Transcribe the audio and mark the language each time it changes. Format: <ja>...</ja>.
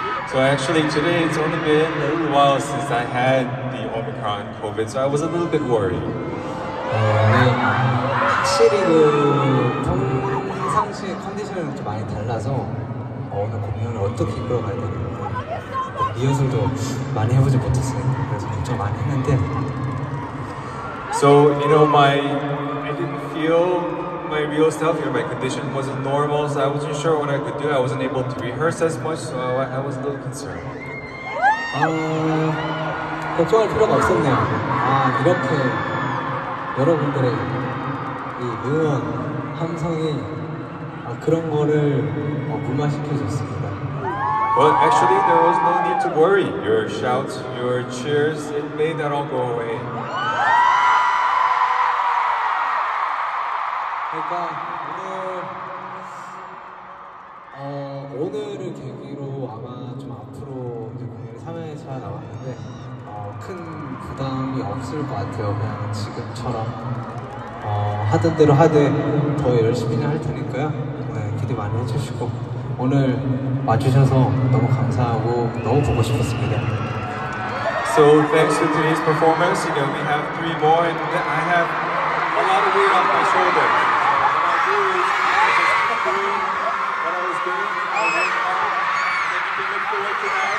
<en>So actually today it's only been a little while since I had the Omicron COVID, so I was a little bit worried.</en> <ko>확실히 그 평상시 컨디션이 좀 많이 달라서 오늘 공연을 어떻게 이끌어갈 건지 리허설도 많이 해보지 못했어요. 그래서 걱정 많이 했는데.</ko> <en>So you know, I didn't feel my real self here. My condition wasn't normal, so I wasn't sure what I could do. I wasn't able to rehearse as much, so I was a little concerned.</en> <ko>걱정할 필요가 없었네요. 아 이렇게 여러분들의 이 응원, 함성이 그런 거를 무마시켜줬습니다.</ko> <en>Well, actually, there was no need to worry. Your shouts, your cheers, it made that all go away.</en> <ko>그러니까 오늘 오늘을 계기로 아마 좀 앞으로 이제 공연을 3회차 나왔는데 큰 부담이 없을 것 같아요. 그냥 지금처럼. 하던 대로 하되 더 열심히 할 테니까요. 네, 기대 많이 해주시고 오늘 와주셔서 너무 감사하고 너무 보고 싶었습니다.</ko> <en>So thanks to today's performance, you know, we have three more and I have a lot of weight on my shoulder. What I do is I just keep doing what I was doing. I'll work hard and you can look forward to that.</en>